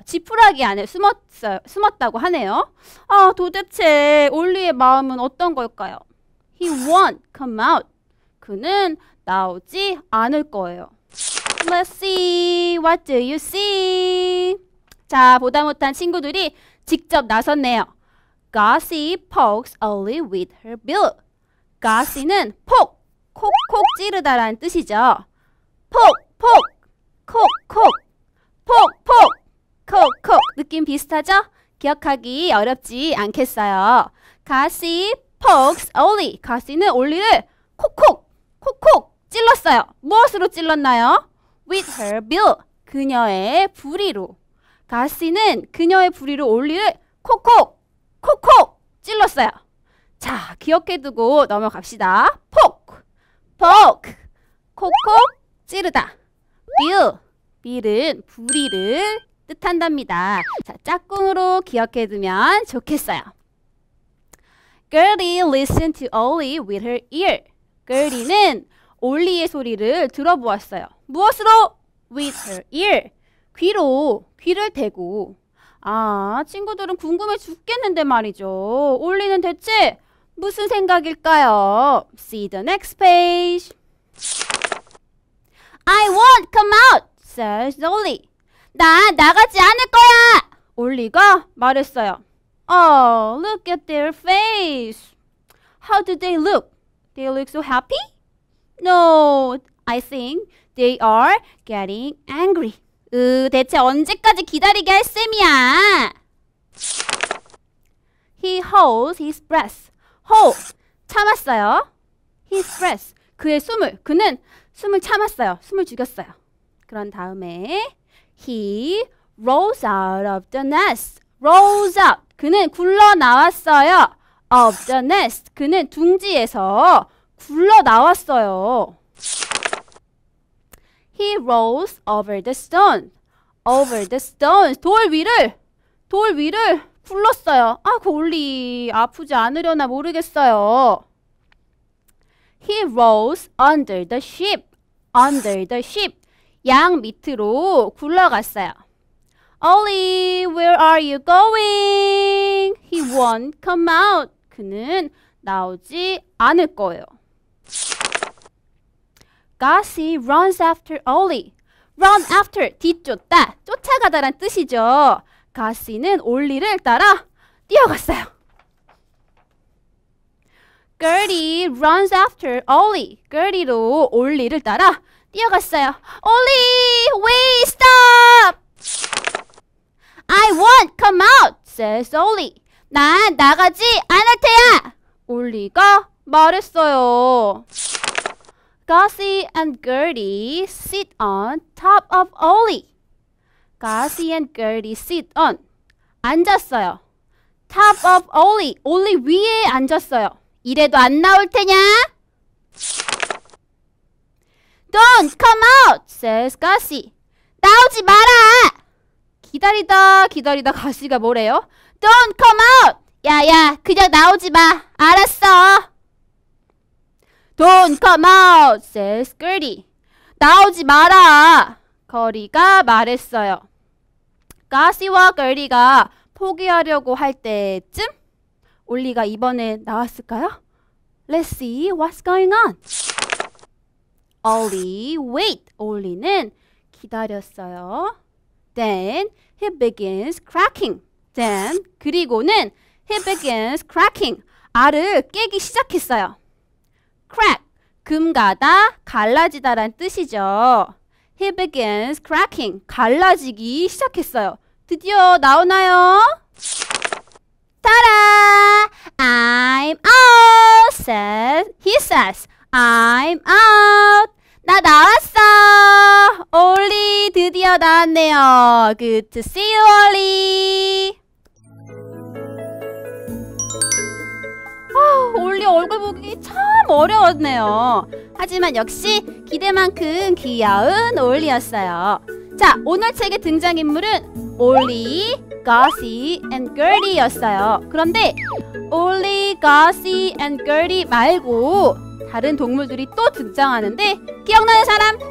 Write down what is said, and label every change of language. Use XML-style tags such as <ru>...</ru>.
<ko>지푸라기 안에 숨었어요. 숨었다고 하네요. 아, 도대체 올리의 마음은 어떤 걸까요?</ko> <en>He won't come out.</en> <ko>그는 나오지 않을 거예요.</ko> <en>Let's see. What do you see?</en> <ko>자, 보다 못한 친구들이 직접 나섰네요.</ko> <en>Gussie pokes Ollie with her bill.</en> <ko>Gussie는 폭, 콕콕 찌르다라는 뜻이죠. 폭, 폭, 콕, 콕, 폭, 폭, 콕, 콕. 느낌 비슷하죠? 기억하기 어렵지 않겠어요.</ko> <en>Gussie pokes Ollie.</en> <ko>Gussie는 Ollie를 콕콕, 콕콕 찔렀어요. 무엇으로 찔렀나요?</ko> <en>With her bill.</en> <ko>그녀의 부리로. 가시는 그녀의 부리로 올리를 콕콕, 콕콕 찔렀어요. 자, 기억해두고 넘어갑시다. 폭, 폭, 콕콕 찌르다. 빌, 빌은 부리를 뜻한답니다. 자, 짝꿍으로 기억해두면 좋겠어요.</ko> <en>Gertie listened to Ollie with her ear.</en> <ko>Gertie는 올리의 소리를 들어보았어요. 무엇으로?</ko> <en>With her ear.</en> <ko>귀로, 귀를 대고. 아, 친구들은 궁금해 죽겠는데 말이죠. 올리는 대체 무슨 생각일까요?</ko> <en>See the next page. I won't come out, says Ollie.</en> <ko>나 나가지 않을 거야, 올리가 말했어요.</ko> <en>Oh, look at their face. How do they look? They look so happy? No, I think they are getting angry.</en> <ko>대체 언제까지 기다리게 할 셈이야?</ko> <en>He holds his breath. Hold,</en> <ko>참았어요.</ko> <en>His breath,</en> <ko>그의 숨을. 그는 숨을 참았어요. 숨을 죽였어요. 그런 다음에</ko> <en>He rolls out of the nest. Rolls out.</en> <ko>그는 굴러나왔어요.</ko> <en>Of the nest.</en> <ko>그는 둥지에서 굴러나왔어요.</ko> <en>He rolls over the stone. Over the stone.</en> <ko>돌 위를 굴렀어요. 아, 골리. 아프지 않으려나 모르겠어요.</ko> <en>He rolls under the sheep. Under the sheep.</en> <ko>양 밑으로 굴러갔어요.</ko> <en>Ollie, where are you going? He won't come out.</en> <ko>그는 나오지 않을 거예요.</ko> <en>Gussie runs after Ollie. Run after,</en> <ko>뒤쫓다, 쫓아가다란 뜻이죠. Gussie는 올리를 따라 뛰어갔어요.</ko> <en>Gertie runs after Ollie.</en> <ko>Gertie도 올리를 따라 뛰어갔어요.</ko> <en>Ollie, wait, stop! I won't come out, says Ollie.</en> <ko>난 나가지 않을 테야! 올리가 말했어요.</ko> <en>Gussie and Gertie sit on top of Ollie. Gussie and Gertie sit on.</en> <ko>앉았어요.</ko> <en>Top of Ollie.</en> <ko>올리 위에 앉았어요. 이래도 안 나올 테냐?</ko> <en>Don't come out, says Gussie.</en> <ko>나오지 마라! 기다리다 가시가 뭐래요?</ko> <en>Don't come out!</en> <ko>야야, 그냥 나오지 마. 알았어.</ko> <en>Don't come out, says Gertie.</en> <ko>나오지 마라. 거리가 말했어요. Gussie와 Gertie가 포기하려고 할 때쯤 올리가 이번에 나왔을까요?</ko> <en>Let's see what's going on. Ollie, wait.</en> <ko>올리는 기다렸어요.</ko> <en>Then he begins cracking. Then,</en> <ko>그리고는</ko> <en>he begins cracking.</en> <ko>알을 깨기 시작했어요. Crack, 금가다, 갈라지다란 뜻이죠.</ko> <en>He begins cracking,</en> <ko>갈라지기 시작했어요. 드디어 나오나요? 따라!</ko> <en>I'm out, he says. I'm out.</en> <ko>나 나왔어! 올리 드디어 나왔네요.</ko> <en>Good to see you, 올리!</en> <ko>올리 얼굴 보기 참 어려웠네요. 하지만 역시 기대만큼 귀여운 올리였어요. 자, 오늘 책의 등장인물은 올리, Gussie, and Gertie였어요. 그런데 올리, Gussie, and Gertie 말고 다른 동물들이 또 등장하는데 기억나는 사람?</ko>